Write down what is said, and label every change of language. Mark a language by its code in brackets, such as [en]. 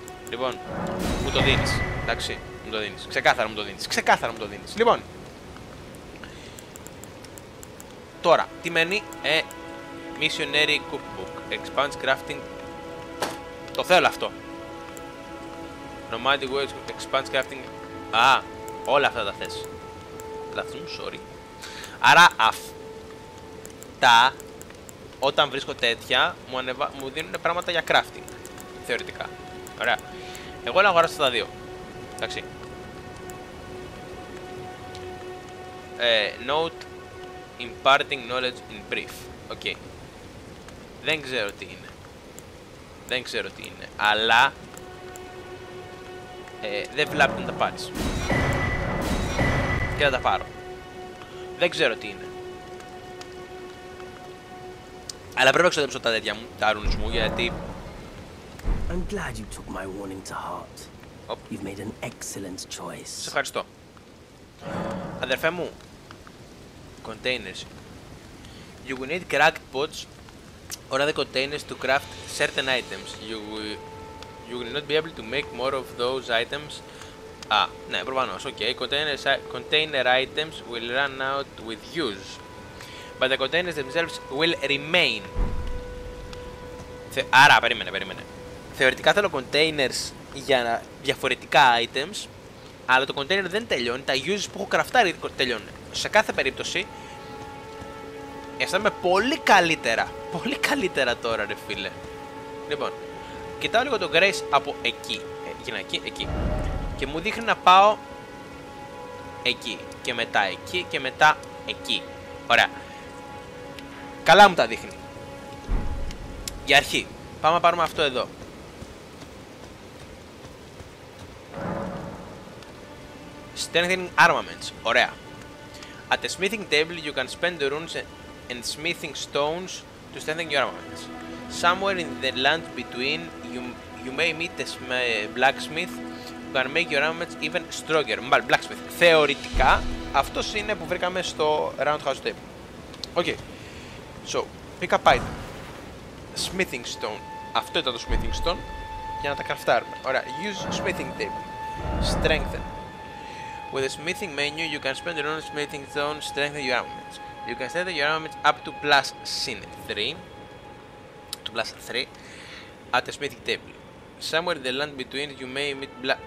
[el] Λοιπόν, μου το δίνεις, εντάξει, μου το δίνεις. Ξεκάθαρα μου το δίνεις, ξεκάθαρα μου το δίνεις. Λοιπόν. Τώρα, τι μένει, Missionary Cookbook. [en] Expands crafting. [el] Το θέλω αυτό. [en] Nomadic Words, expands crafting. [el] Α, όλα αυτά τα θες. Λάθος μου, sorry. Άρα, αυτά, όταν βρίσκω τέτοια, μου δίνουν πράγματα για crafting. Θεωρητικά. Ωραία. Εγώ να αγοράσω τα δύο. Εντάξει. [en] Note. Imparting knowledge in brief. [el] Okay. Δεν ξέρω τι είναι. Δεν ξέρω τι είναι. Αλλά δεν βλάπτει να τα πάρεις. Και θα τα πάρω. Δεν ξέρω τι είναι. Αλλά πρέπει να ξοδέψω τα τέτοια μου, τα runes μου, γιατί. [en] I'm glad you took my warning to heart. You've made an excellent choice. [el] Σε ευχαριστώ. Αδερφέ μου. Containers. [en] You will need cracked pots or other containers to craft certain items. You will not be able to make more of those items. [el] Ah, ναι, προφανώς. [en] Okay. Container items will run out with use. But the containers themselves will remain. [el] Άρα, περίμενε. Θεωρητικά θέλω containers για διαφορετικά items, αλλά το container δεν τελειώνει. Τα uses που έχω κραφτάρει τελειώνουν. Σε κάθε περίπτωση, αισθάνομαι πολύ καλύτερα. Πολύ καλύτερα τώρα, ρε φίλε. Λοιπόν, κοιτάω λίγο τον Grace από εκεί. Εκεί. Και μου δείχνει να πάω εκεί και μετά εκεί και μετά εκεί. Ωραία. Καλά μου τα δείχνει. Για αρχή πάμε να πάρουμε αυτό εδώ. [en] Strengthening armaments. Ωραία. At the smithing table you can spend the runes and smithing stones to strengthen your armaments. Somewhere in the land between you may meet a blacksmith who can make your armaments even stronger. [el] Μπαλ, blacksmith. Θεωρητικά, αυτός είναι που βρήκαμε στο roundhouse table. Okay. [en] So, pick up item. Smithing stone. [el] Αυτό ήταν το smithing stone. Για να τα κραφτάρουμε. Ωραία. [en] Use smithing table. Strengthen. With the smithing menu, you can spend your own smithing stone to strengthen your armaments. You can strengthen your armaments up to plus sin 3. To plus 3. At the smithing table. Somewhere in the land between you may meet black.